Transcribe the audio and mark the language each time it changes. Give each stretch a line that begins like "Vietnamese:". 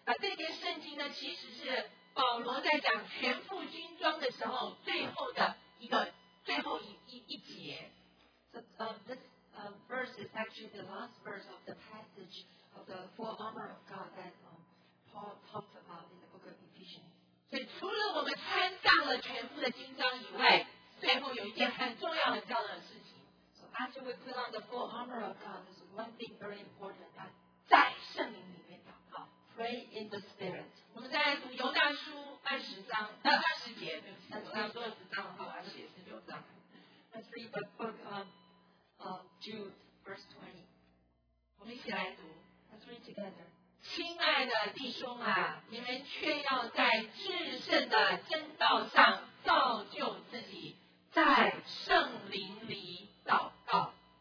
Chinese: 这节圣经呢，其实是保罗在讲全副军装的时候最后的一个最后一节。
English: So this verse is actually the last verse of the passage of the full armor of God that. Paul talked about in the book of Ephesians. So after we put on the full armor of God, there's one thing very important that
Chinese: 在圣灵里面祷告
English: pray in the spirit.
Chinese: 我们在读犹大书二十章二十节，对不起，我刚刚说二十章的话，我要写十九章。
English: Let's read the book of Jude, verse 20.
Chinese: 我们一起来读。
English: Let's read together.
Chinese: 亲爱的弟兄啊，你们却要在至圣的真道上造就自己，在圣灵里祷告。